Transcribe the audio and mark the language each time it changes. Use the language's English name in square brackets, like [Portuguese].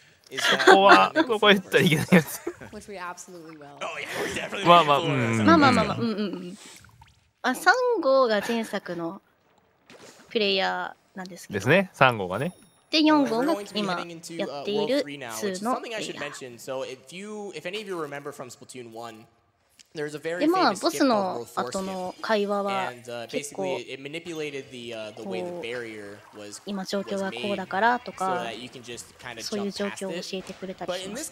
[Japanese] ここは、ここ言ったらいけないやつ。 [English] Which we absolutely will. Oh, yeah, we definitely will. [Japanese] まあまあまあ、うんうんうん。あ、サンゴが前作のプレイヤーなんですけど。ですね、サンゴがね。で、4号が今やっている2のプレイヤー。 [English] Something I should mention. So if you, if any of you remember from Splatoon 1,There's a very [Japanese] でまあボスの後の会話は結構今状況はこうだからとかそういう状況を教えてくれたりします、